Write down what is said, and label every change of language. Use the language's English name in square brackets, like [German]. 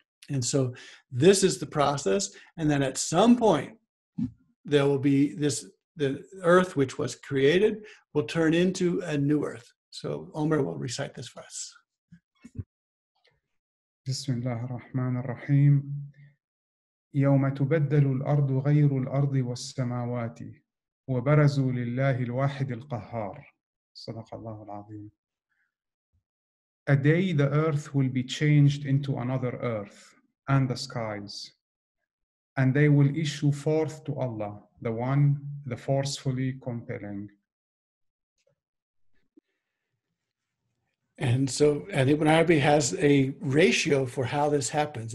[English] And so this is the process. And then at some point, there will be this, the earth which was created will turn into a new earth. So Omar will recite this for us. [Arabic] Bismillah ar-Rahman ar-Rahim. يوم تبدل الأرض غير الأرض والسماوات وبرزوا لله الواحد القهار صدق الله العظيم. [English] A day the earth will be changed into another earth and the skies, and they will issue forth to Allah, the one, the forcefully compelling. And so, and Ibn Arabi has a ratio for how this happens.